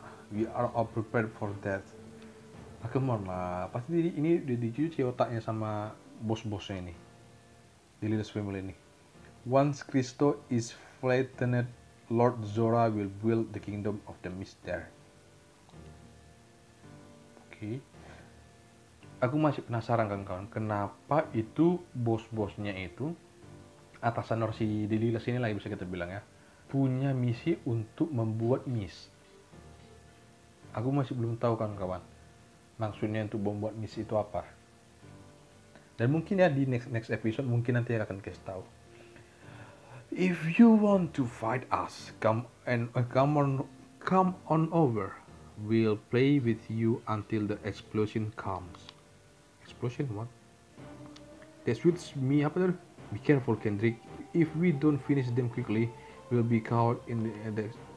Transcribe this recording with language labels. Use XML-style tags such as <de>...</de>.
<en>We are all prepared for that. Nah, come on lah.</en> <id>Pasti ini udah dicuci otaknya sama bos-bosnya ini. Delilah's Family ini.</id> <en>Once Kristo is flattened, Lord Zora will build the kingdom of the mist there.</en> <id>Oke. Aku masih penasaran kawan-kawan, kenapa itu bos-bosnya itu, atasan si Delilah's ini lah bisa kita bilang ya, punya misi untuk membuat mist. Aku masih belum tahu kawan-kawan, maksudnya untuk membuat mist itu apa. Dan mungkin ya di next next episode mungkin nanti akan kasih tahu.</id> <en>If you want to fight us, come on over. We'll play with you until the explosion comes. Explosion what? That's with me</en> <id>apa tuh?</id> <en>Be careful, Kendrick. If we don't finish them quickly, we'll be caught in the.</en>